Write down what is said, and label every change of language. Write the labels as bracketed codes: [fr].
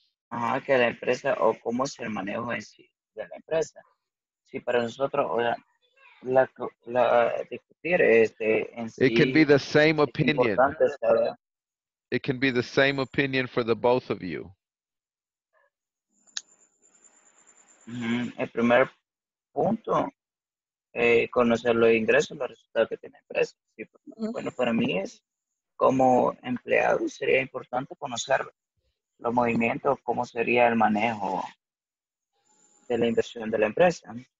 [es] Ah, que la empresa o cómo es el manejo en sí de la empresa. Sí, para nosotros o la discutir este en sí. [en] It can be the same opinion. It can be the same opinion for the both of you. Mm-hmm. [es] El primer punto, conocer los ingresos, los resultados que tiene la empresa. Sí, bueno, para mí es como empleado sería importante conocer los movimientos, cómo sería el manejo de la inversión de la empresa.